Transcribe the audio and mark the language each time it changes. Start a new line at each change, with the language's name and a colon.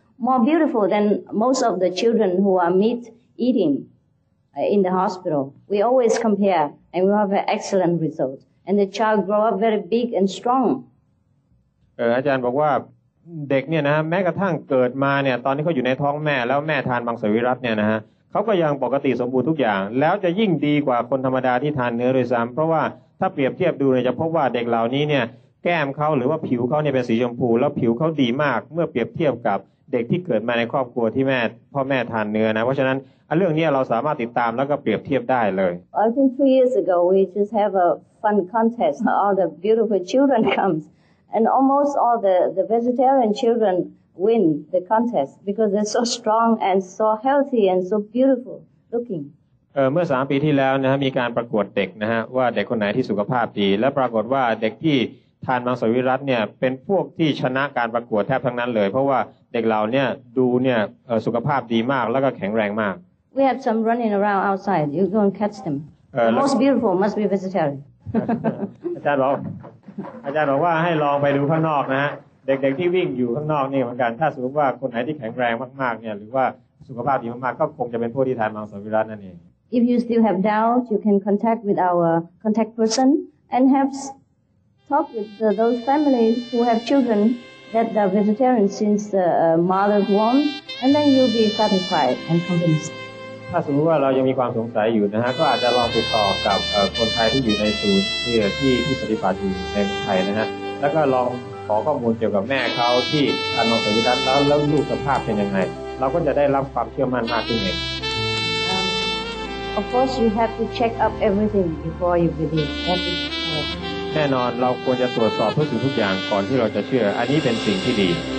English: More beautiful than most of the children who are meat eating in the hospital. We always compare, and we have an excellent result. And the child grow up very big and strong.
Thai: อาจารย์บอกว่าเด็กเนี่ยนะฮะแม้กระทั่งเกิดมาเนี่ยตอนที่เขาอยู่ในท้องแม่แล้วแม่ทานมังสวิรัติเนี่ยนะฮะเขาก็ยังปกติสมบูรณ์ทุกอย่างแล้วจะยิ่งดีกว่าคนธรรมดาที่ทานเนื้อโดยซ้ำเพราะว่าถ้าเปรียบเทียบดูเนี่ยจะพบว่าเด็กเหล่านี้เนี่ยแก้มเขาหรือว่าผิวเขาเนี่ยเป็นสีชมพูแล้วผิวเขาดีมากเมื่อเปรียบเทียบกับเด็กที่เกิดมาในครอบครัวที่แม่พ่อแม่ทานเนื้อนะเพราะฉะนั้นเรื่องนี้เราสามารถติดตามแล้วก็เปรียบเทียบได้เลย
English: I think 3 years ago we just have a fun contest all the beautiful children comes and almost all the vegetarian children win the contest because they're so strong and so healthy and so beautiful looking
Thai: เมื่อ3ปีที่แล้วนะฮะมีการประกวดเด็กนะฮะว่าเด็กคนไหนที่สุขภาพดีและปรากฏว่าเด็กที่ทานมังสวิรัติเนี่ยเป็นพวกที่ชนะการประกวดแทบทั้งนั้นเลยเพราะว่าเด็กเราเนี่ยดูเนี่ยสุขภาพดีมากแล้วก็แข็งแรงมาก
English: We have some running around outside you don't catch them the most beautiful must be vegetarian
Thai: อาจารย์บอกว่าให้ลองไปดูข้างนอกนะฮะเด็กๆที่วิ่งอยู่ข้างนอกนี่เหมือนกันถ้าสมมติว่าคนไหนที่แข็งแรงมากๆเนี่ยหรือว่าสุขภาพดีมากๆก็คงจะเป็นพวกที่ทานมังสวิรัตินั่นเอง
English: If you still have doubt you can contact with our contact person and haveTalk with those families who have children that are vegetarian since the mother's womb, and then you'll be satisfied and convinced.
Thai: ถ้าสมมติว่าเรายังมีความสงสัยอยู่นะฮะก็อาจจะลองติดต่อกับคนไทยที่อยู่ในศูนย์ที่ปฏิบัติอยู่ในไทยนะฮะแล้วก็ลอง ขอข้อมูลเกี่ยวกับแม่เขาที่อนุสวรีย์แล้วลูกสภาพเป็นยังไงเราก็จะได้รับความเชื่อมั่นมากขึ้นเอง
English: Of course, you have to check up everything before you believe.
Thai: แน่นอนเราควรจะตรวจสอบทุกสิ่งทุกอย่างก่อนที่เราจะเชื่ออันนี้เป็นสิ่งที่ดี